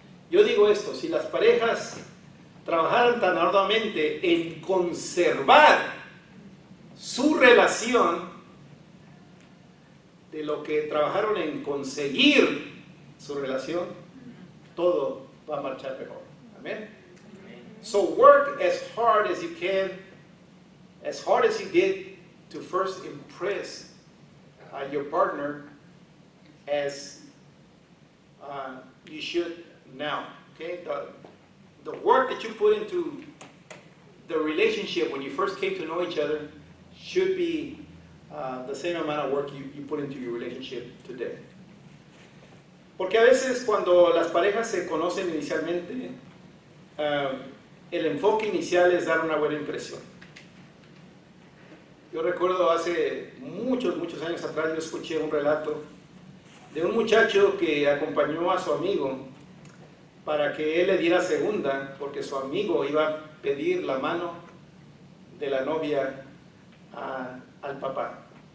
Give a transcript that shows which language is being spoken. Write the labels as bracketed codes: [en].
[es] Yo digo esto, si las parejas trabajaran tan arduamente en conservar su relación, de lo que trabajaron en conseguir su relación, todo va a marchar mejor. Amén. [en] So work as hard as you can, as hard as you did to first impress your partner as you should now. Okay? The work that you put into the relationship when you first came to know each other should be the same amount of work you put into your relationship today. [es] Porque a veces cuando las parejas se conocen inicialmente, el enfoque inicial es dar una buena impresión. Yo recuerdo hace muchos años atrás, yo escuché un relato de un muchacho que acompañó a su amigo para que él le diera segunda, porque su amigo iba a pedir la mano de la novia al papá.